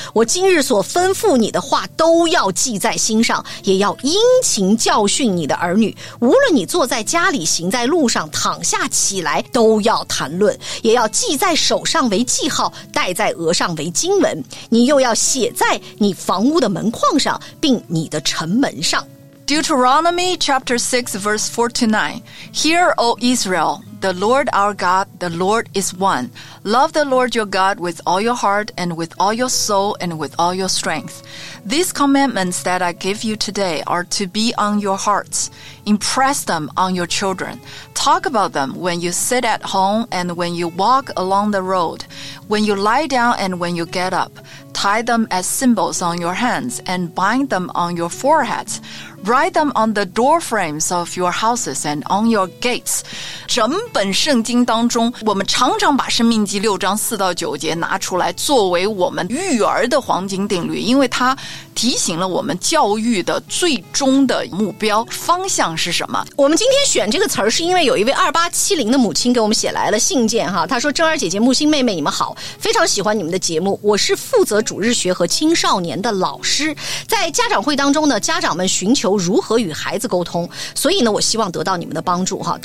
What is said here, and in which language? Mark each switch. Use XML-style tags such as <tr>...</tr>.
<zh>我今日所吩咐你的话都要记在心上，也要殷勤教训你的儿女，无论你坐在家里行在路上躺下起来都要谈论，也要记在手上为记号，戴在额上为经文，你又要写在你房屋的门框上并你的城门上。</zh> <en>Deuteronomy chapter 6 verse 4-9. Hear, O Israel, the Lord our God, the Lord is one. Love the Lord your God with all your heart and with all your soul and with all your strength. These commandments that I give you today are to be on your hearts. Impress them on your children. Talk about them when you sit at home and when you walk along the road, when you lie down and when you get up. Tie them as symbols on your hands and bind them on your foreheads. Write them on the door frames of your houses and on your gates.</en> <zh>整本圣经当中，我们常常把生命记六章四到九节拿出来作为我们育儿的黄金定律，因为它提醒了我们教育的最终的目标方向是什么。我们今天选这个词儿，是因为有一位2870的母亲给我们写来了信件哈，她说，正儿姐姐，木星妹妹，你们好，非常喜欢你们的节目，我是负责主日学和青少年的老师，在家长会当中呢，家长们寻求如何与孩子沟通，所以呢，我希望得到你们的帮助哈。</zh>